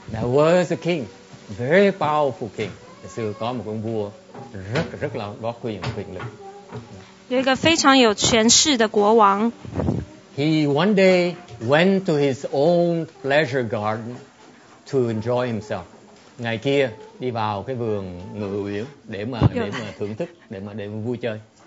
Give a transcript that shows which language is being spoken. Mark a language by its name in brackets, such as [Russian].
[English] There was a king, very powerful king. [Chinese] 是高某公国， [Vietnamese] rất rất là có quyền lực。 [Chinese] 有一个非常有权势的国王。 [English] He one day went to his own pleasure garden to enjoy himself. [Vietnamese] Ngày kia đi vào cái vườn ngự uyển để mà thưởng thức, để mà vui chơi.